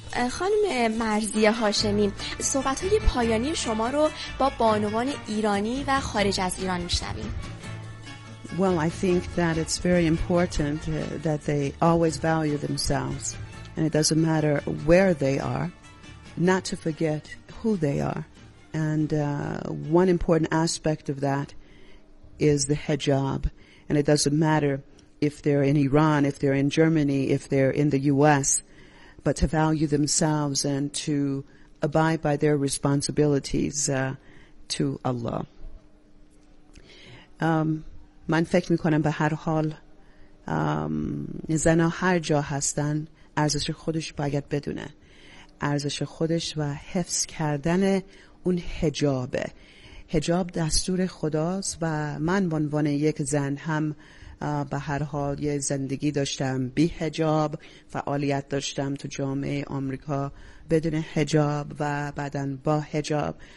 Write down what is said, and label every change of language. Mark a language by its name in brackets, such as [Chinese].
[Persian] خانم مرزی هاشمی، صحبت‌های پایانی شما رو با بانوان ایرانی و خارج از ایران می‌شنویم. [English] Well, I think that it's very important that they always value themselves, and it doesn't matter where they are, not to forget who they are. And one important aspect of that is the hijab, and it doesn't matter if they're in Iran, if they're in Germany, if they're in the U.S., but to value themselves and to abide by their responsibilities to Allah. [Persian] من فکر میکنم به هر حال زنها هر جا هستن ارزش خودش باید بدونه، ارزش خودش و حفظ کردن اون حجابه. حجاب دستور خداست و من به عنوان یک زن هم به هر حال یه زندگی داشتم بی حجاب، فعالیت داشتم تو جامعه آمریکا بدون حجاب و بعدن با حجاب.